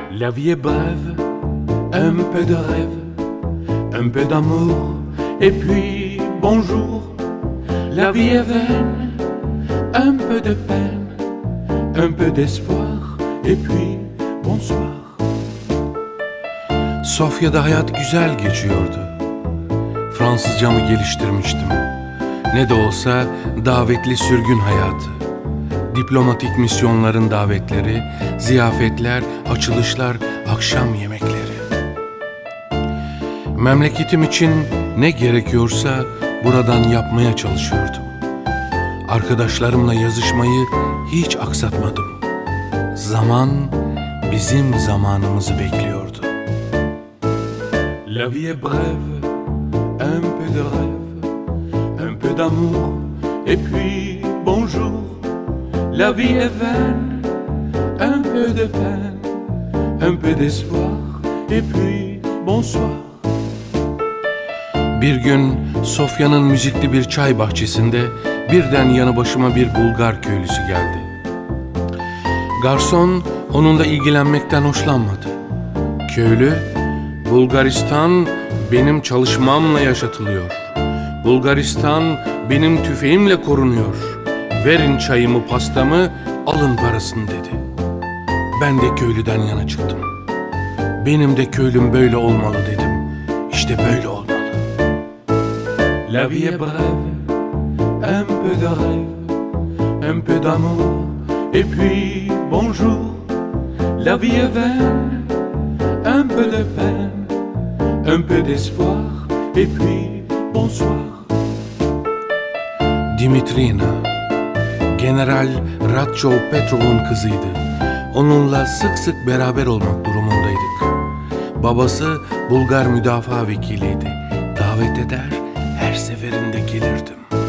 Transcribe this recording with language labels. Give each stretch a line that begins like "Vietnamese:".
French: vie est brève, un peu de rêve, un peu d'amour, et puis bonjour. La vie est vaine, un peu de peine, un peu d'espoir, et puis bonsoir.
Turkish: Sofya'da hayat güzel geçiyordu. Fransızcamı geliştirmiştim. Ne de olsa davetli sürgün hayatı. Diplomatik misyonların davetleri, ziyafetler, açılışlar, akşam yemekleri. Memleketim için ne gerekiyorsa buradan yapmaya çalışıyordum. Arkadaşlarımla yazışmayı hiç aksatmadım. Zaman bizim zamanımızı bekliyordu.
French: La vie est brève, un peu de rêve, un peu d'amour, et puis bonjour. La vie est vaine, un peu de peine, un peu d'espoir, et puis bonsoir.
Turkish: Bir gün Sofya'nın müzikli bir çay bahçesinde birden yanı başıma bir Bulgar köylüsü geldi. Garson onunla ilgilenmekten hoşlanmadı. Köylü, Bulgaristan benim çalışmamla yaşatılıyor. Bulgaristan benim tüfeğimle korunuyor. Verin çayımı, pastamı, alın parasını dedi. Ben de köylüden yana çıktım. Benim de köylüm böyle olmalı dedim. İşte böyle olmalı.
French: La vie est brève, un peu de rêve, un peu d'amour, et puis bonjour. La vie est vaine, un peu de peine, un peu d'espoir, et puis bonsoir.
Turkish: Dimitrina, General Radchov Petrov'un kızıydı. Onunla sık sık beraber olmak durumundaydık. Babası Bulgar müdafaa vekiliydi. Davet eder, her seferinde gelirdim.